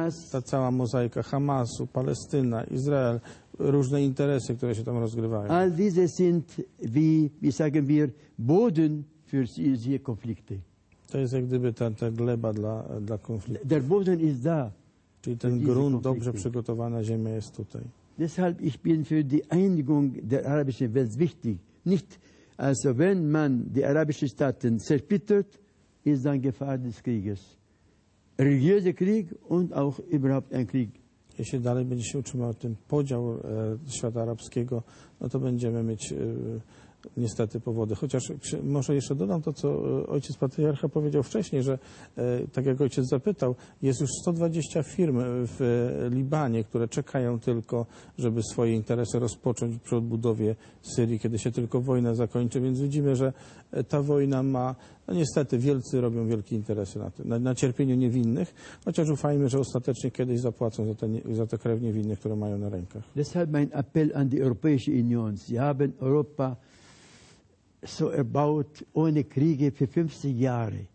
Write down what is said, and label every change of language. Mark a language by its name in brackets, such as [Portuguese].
[Polish] Ta cała mozaika Hamasu, Palestyna, Izrael, różne interesy, które się tam rozgrywają. [German] All diese sind, wie sagen wir, Boden für diese Konflikte. [Polish] To jest jak gdyby ta gleba dla konfliktu. [German] Der Boden ist da. [Polish] Czyli ten grunt, konflikty. Dobrze przygotowana ziemia jest tutaj. [German] Deshalb ich bin für die Einigung der arabischen Welt wichtig. Nicht, also wenn man die arabischen Staaten zersplittert, ist dann Gefahr des Krieges. Religiöser Krieg und auch überhaupt ein Krieg. [Polish] Jeśli dalej będzie się utrzymał ten podział świata arabskiego, no to będziemy mieć niestety powody. Chociaż może jeszcze dodam to, co ojciec patriarcha powiedział wcześniej, że tak jak ojciec zapytał, jest już 120 firm w Libanie, które czekają tylko, żeby swoje interesy rozpocząć przy odbudowie Syrii, kiedy się tylko wojna zakończy. Więc widzimy, że ta wojna ma... No niestety, wielcy robią wielkie interesy na tym, na cierpieniu niewinnych, chociaż ufajmy, że ostatecznie kiedyś zapłacą za te krew niewinnych, które mają na rękach. [German] Deshalb mein Appell an die Europäische Union. Sie haben Europa so erbaut ohne Kriege für 50 Jahre.